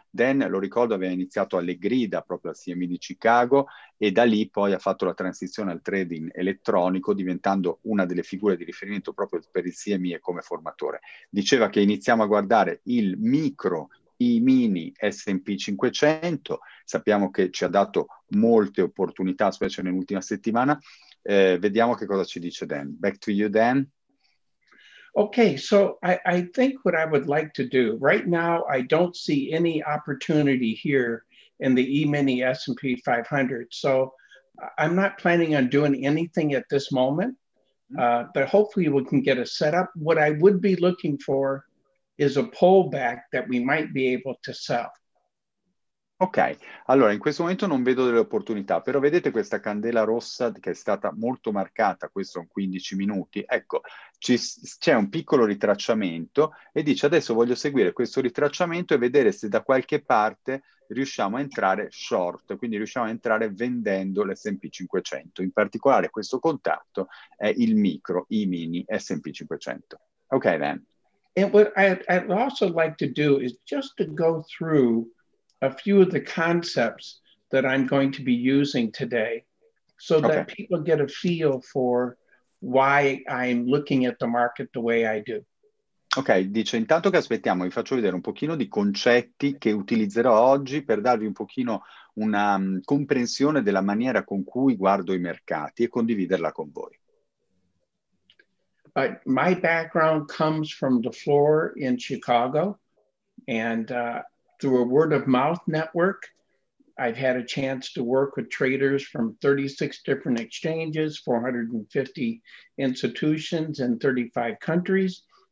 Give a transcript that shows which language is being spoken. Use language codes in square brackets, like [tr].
[it] Dan, lo ricordo, aveva iniziato alle grida proprio al CME di Chicago e da lì poi ha fatto la transizione al trading elettronico, diventando una delle figure di riferimento proprio per il CME e come formatore. Diceva che iniziamo a guardare il micro i mini S&P 500, sappiamo che ci ha dato molte opportunità, specie nell'ultima settimana. Vediamo che cosa ci dice Dan. [en] Back to you, Dan. Okay, so I think what I would like to do right now, I don't see any opportunity here in the E-mini S&P 500. So I'm not planning on doing anything at this moment, but hopefully we can get a setup. What I would be looking for is a pullback that we might be able to sell. [it] Ok, allora in questo momento non vedo delle opportunità, però vedete questa candela rossa che è stata molto marcata, questo sono 15 minuti, ecco, c'è un piccolo ritracciamento e dice adesso voglio seguire questo ritracciamento e vedere se da qualche parte riusciamo a entrare short, quindi riusciamo a entrare vendendo l'S&P 500, in particolare questo contatto è il micro, i mini S&P 500. [en] Ok, then. And what I'd also like to do is just to go through a few of the concepts that I'm going to be using today so that Okay. people get a feel for why I'm looking at the market the way I do. [it] Ok, dice intanto che aspettiamo, vi faccio vedere un pochino di concetti che utilizzerò oggi per darvi un pochino una comprensione della maniera con cui guardo i mercati e condividerla con voi. [en] My background comes from the floor in Chicago, and through a word of mouth network, I've had a chance to work with traders from 36 different exchanges, 450 institutions in 35 countries.